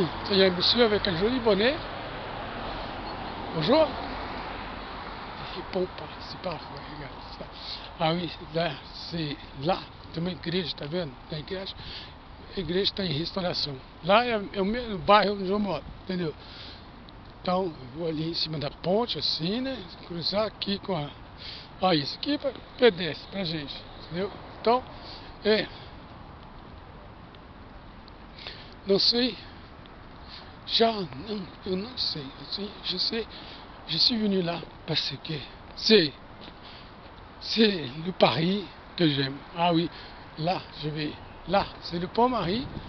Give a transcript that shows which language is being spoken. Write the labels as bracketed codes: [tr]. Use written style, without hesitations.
[fr] Il y a un monsieur avec un joli bonnet. Bonjour. Il pompe, c'est pas vrai, regarde ça. Ah oui, là, c'est là, [pt] tem uma igreja, tá vendo? Tem igreja, a igreja está em restauração. Lá é o mesmo bairro onde eu moro, entendeu? Então, vou ali em cima da ponte, assim, né? Cruzar aqui com a. Ah, isso aqui é para pedestre, para gente, entendeu? Então, [fr] Et non, c'est Jean, non, c'est aussi, je sais, je suis venu là parce que c'est le Paris que j'aime. Ah oui, là, je vais, là, c'est le Pont-Marie.